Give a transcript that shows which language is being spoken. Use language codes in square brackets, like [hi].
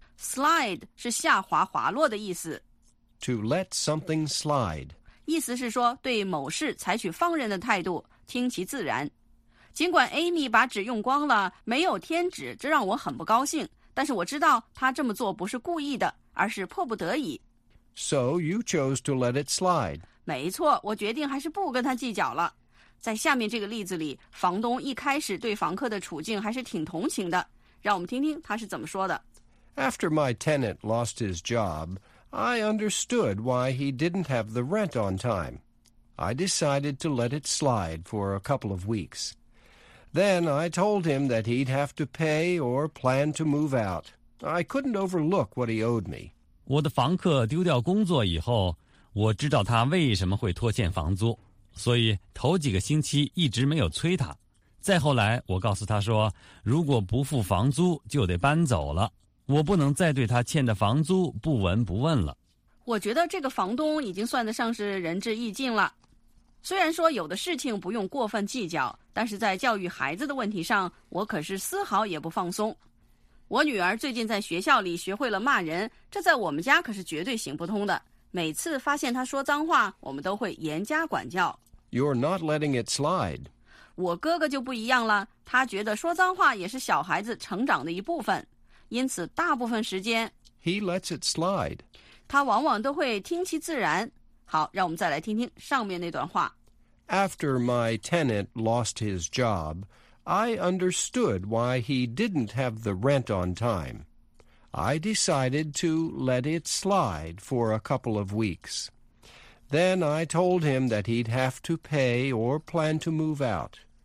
[zh] Slide 是下滑滑落的意思。 [en] To let something slide. [zh] 意思是说对某事采取放任的态度，听其自然。尽管 Amy 把纸用光了，没有添纸，这让我很不高兴，但是我知道她这么做不是故意的，而是迫不得已。 [en] So you chose to let it slide. [zh] 没错，我决定还是不跟她计较了。在下面这个例子里，房东一开始对房客的处境还是挺同情的，让我们听听他是怎么说的。 [en] After my tenant lost his job,I understood why he didn't have the rent on time. I decided to let it slide for a couple of weeks. Then I told him that he'd have to pay or plan to move out. I couldn't overlook what he owed me. [zh] 我的房客丢掉工作以后，我知道他为什么会拖欠房租，所以头几个星期一直没有催他。再后来，我告诉他说，如果不付房租，就得搬走了。我不能再对他欠的房租不闻不问了。我觉得这个房东已经算得上是仁至义尽了。虽然说有的事情不用过分计较，但是在教育孩子的问题上，我可是丝毫也不放松。我女儿最近在学校里学会了骂人，这在我们家可是绝对行不通的。每次发现她说脏话，我们都会严加管教。 [en] You're not letting it slide. [zh] 我哥哥就不一样了，他觉得说脏话也是小孩子成长的一部分。因此大部分时间 [en] He lets it slide. [zh] 他往往都会听其自然。好，让我们再来听听上面那段话。 [en] After my tenant lost his job, I understood why he didn't have the rent on time. I decided to let it slide for a couple of weeks. Then I told him that he'd have to pay or plan to move out.